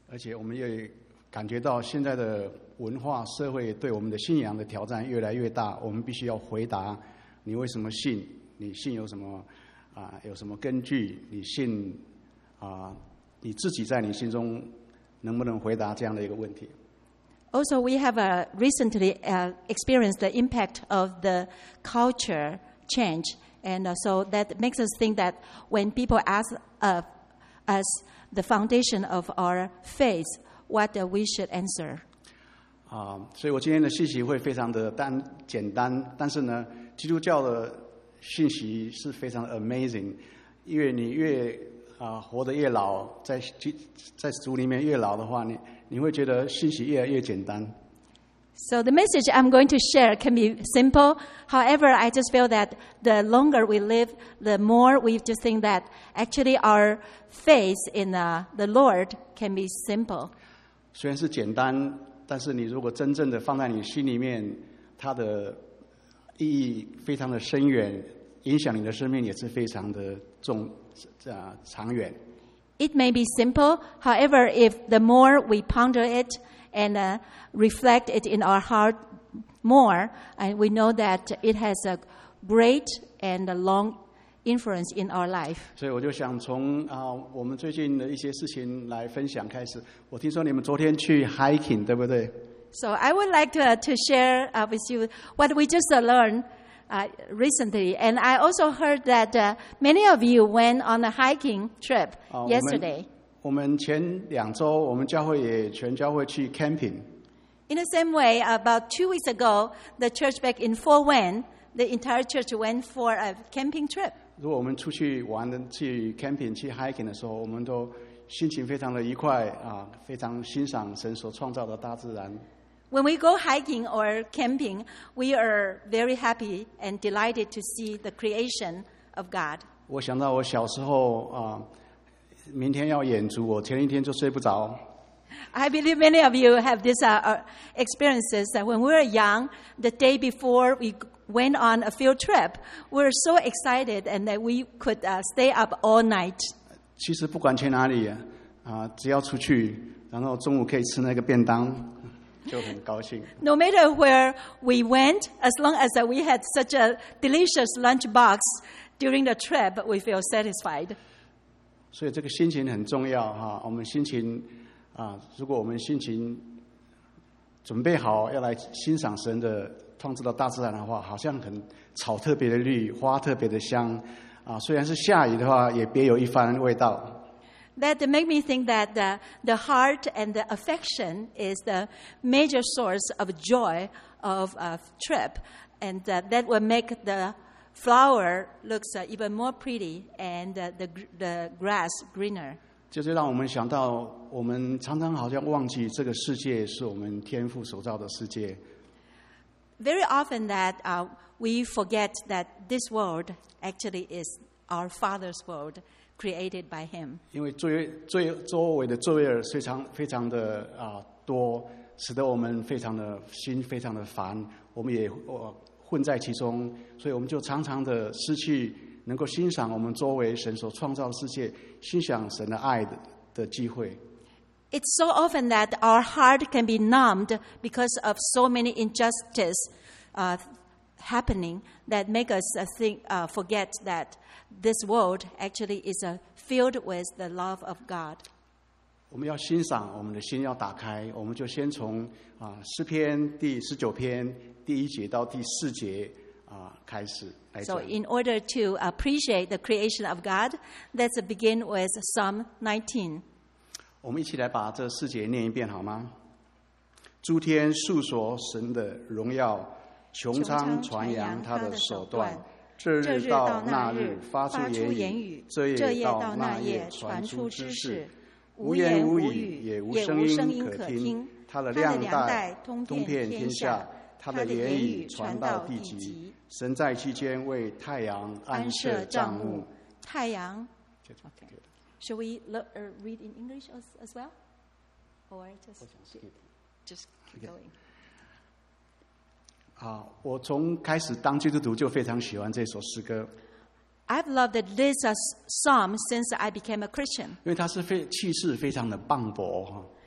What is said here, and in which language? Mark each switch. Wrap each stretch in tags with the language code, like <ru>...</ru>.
<zh>而且我们也感觉到现在的文化社会对我们的信仰的挑战越来越大，我们必须要回答你为什么信，你信有什么有什么根据，你信你自己在你心中能不能回答这样的一个问题。</zh> <en>Also, we have recently experienced the impact of the culture change. And so that makes us think that when people ask us the foundation of our faith, what we should answer.</en> <zh>所以我今天的信息会非常的简单，但是呢，基督教的信息是非常 amazing， 因为你越活得越老，在主里面越老的话，你会觉得信息越来越简单。</zh> <en>So the message I'm going to share can be simple. However, I just feel that the longer we live, the more we just think that actually our faith in the Lord can be simple.</en> <zh>虽然是简单，但是你如果真正的放在你心里面，它的意义非常的深远，影响你的生命也是非常的重。长远。</zh> <en>It may be simple, however, if the more we ponder it and reflect it in our heart more, we know that it has a great and a long influence in our life.</en> <zh>所以我就想从我们最近的一些事情来分享开始。我听说你们昨天去 hiking, 对不对？</zh> <en>So I would like to share with you what we just learned. Recently, and I also heard that many of you went on a hiking trip yesterday.</en> <zh>我们前两周，我们教会也全教会去 camping.</zh> <en>In the same way, about 2 weeks ago, the church back in Fort Wayne, the entire church went for a camping trip.</en> <zh>如果我们出去玩的去 camping 去 hiking 的时候，我们都心情非常的愉快非常欣赏神所创造的大自然。</zh> <en>When we go hiking or camping, we are very happy and delighted to see the creation of God.</en> <zh>我想到我小时候明天要演出，我前一天就睡不着。</zh> <en>I believe many of you have this experiences that when we were young, the day before we went on a field trip, we were so excited and that we could stay up all night.</en> <zh>其实不管去哪里只要出去，然后中午可以吃那个便当。就很高兴。</zh> <en>No matter where we went, as long as we had such a delicious lunchbox during the trip, we feel satisfied.</en> <zh>所以这个心情很重要哈。我们心情啊，如果我们心情准备好要来欣赏神的创造的大自然的话，好像很草特别的绿，花特别的香啊。虽然是下雨的话，也别有一番味道。</zh> <en>That make me think that the heart and the affection is the major source of joy of a trip, and that will make the flower looks even more pretty and the grass greener.</en> <zh>就是让我们想到，我们常常好像忘记这个世界是我们天父所造的世界。</zh> <en>Very often that we forget that this world actually is our Father's world. Created by him.</en> <zh>因为罪周围的罪恶非常的多，使得我们非常的心非常的烦，我们也混在其中，所以我们就常常的失去能够欣赏我们周围神所创造的世界，欣赏神的爱的机会。</zh> <en>It's so often that our heart can be numbed because of so many injustice happening that make us forget that. This world actually is filled with the love of God.</en> <zh>我们要欣赏，我们的心要打开，我们就先从诗篇第十九篇第一节到第四节开始来讲。</zh> <en>So in order to appreciate the creation of God, let's begin with Psalm 19.</en> <zh>我们一起来把这四节念一遍好吗？诸天述说神的荣耀，穹苍传扬他的手段。这日到那日发出言语，这夜到那夜传出知识，无言无语也无声音可听。他的亮带通遍天下，他的言语传到地极。神在其间为太阳安设帐幕。太阳。</zh> <en>Shall we look, read in English as well, or just keep going?</en> <zh>我从开始当基督徒就非常喜欢这首诗歌。</zh> <en>I've loved this psalm since I became a Christian.</en> <zh>因为它是气势非常的磅礴。</zh>